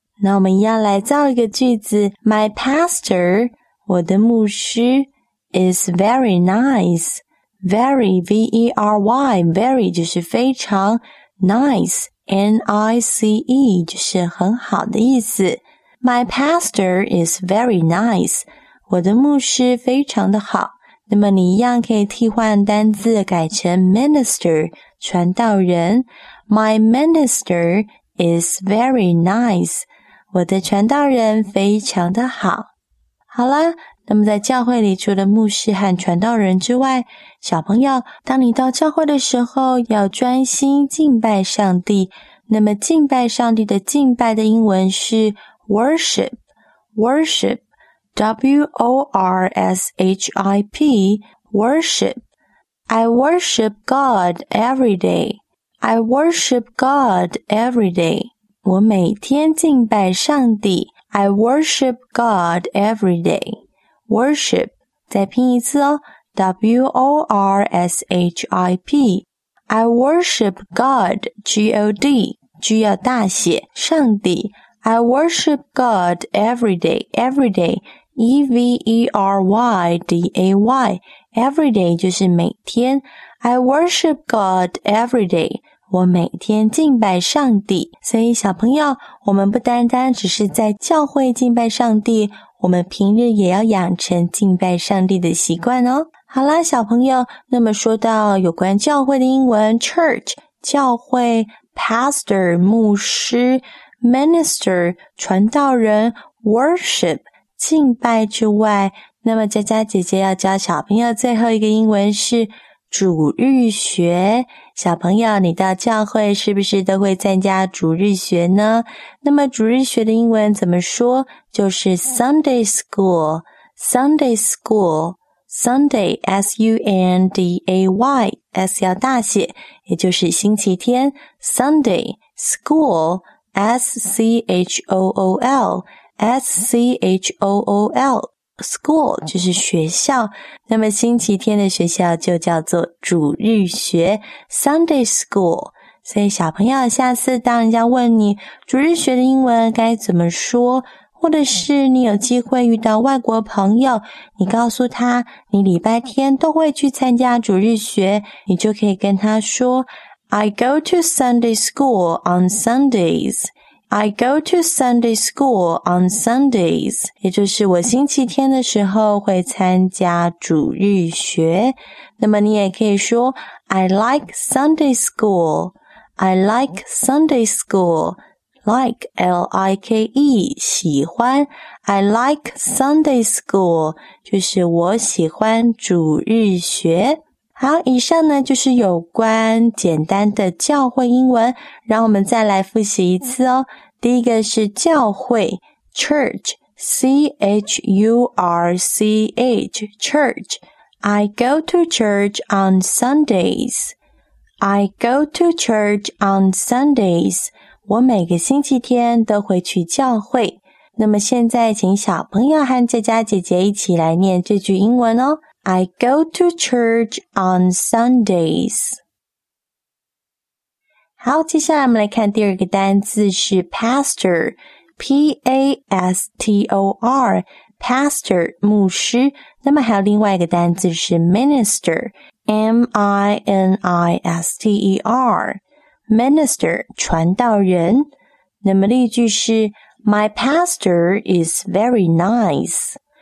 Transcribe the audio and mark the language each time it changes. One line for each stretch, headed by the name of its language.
English: 那我们一样来造一个句子， My pastor,
Chinese: 我的牧师
English: is very nice, very, V-E-R-Y, very
Chinese: 就是非常
English: nice,N-I-C-E,
Chinese: 就是很好的意思。
English: My pastor is very nice.
Chinese: 我的牧师非常的好。那么你一样可以替换单字改成 minister, 传道人。
English: My minister is very nice.
Chinese: 我的传道人非常的好。好啦，那么在教会里除了牧师和传道人之外，小朋友，当你到教会的时候要专心敬拜上帝。那么敬拜上帝的敬拜的英文是 worship, worship, W-O-R-S-H-I-P, worship.
English: I worship God every day. I worship God every day.
Chinese: 我每天敬拜上帝。
English: I worship God every day. Worship, 再拼一次哦 ,W-O-R-S-H-I-P, I worship God, G-O-D, G 要大写上帝 I worship God every day, every day, E-V-E-R-Y-D-A-Y, every day
Chinese: 就是每天
English: I worship God every day,
Chinese: 我每天敬拜上帝。所以小朋友，我们不单单只是在教会敬拜上帝，我们平日也要养成敬拜上帝的习惯哦。好啦，小朋友，那么说到有关教会的英文 church 教会 pastor 牧师 minister 传道人 worship 敬拜之外，那么佳佳姐姐要教小朋友最后一个英文是主日学。小朋友，你到教会是不是都会参加主日学呢？那么主日学的英文怎么说？就是 Sunday school, Sunday school, Sunday, S-U-N-D-A-Y, S 要大写，也就是星期天。
English: Sunday school, S-C-H-O-O-L, S-C-H-O-O-L.
Chinese: School 就是学校，那么星期天的学校就叫做主日学 Sunday School。所以小朋友，下次当人家问你主日学的英文该怎么说，或者是你有机会遇到外国朋友，你告诉他你礼拜天都会去参加主日学，你就可以跟他说
English: I go to Sunday School on SundaysI go to Sunday school on Sundays,
Chinese: 也就是我星期天的时候会参加主日学。那么你也可以说
English: I like Sunday school, I like Sunday school, like, L-I-K-E, 喜欢 I like Sunday school,
Chinese: 就是我喜欢主日学。好，以上呢就是有关简单的教会英文，让我们再来复习一次哦。第一个是教会 church, C-H-U-R-C-H, church.
English: I go to church on Sundays. I go to church on Sundays.
Chinese: 我每个星期天都会去教会。那么现在请小朋友和佳佳姐姐一起来念这句英文哦。
English: I go to church on Sundays.
Chinese: 好，接下来我们来看第二个单字是 pastor, P-A-S-T-O-R, pastor, 牧师。那么还有另外一个单字是 minister, M-I-N-I-S-T-E-R, minister, 传道人。那么例句是
English: My pastor is very nice.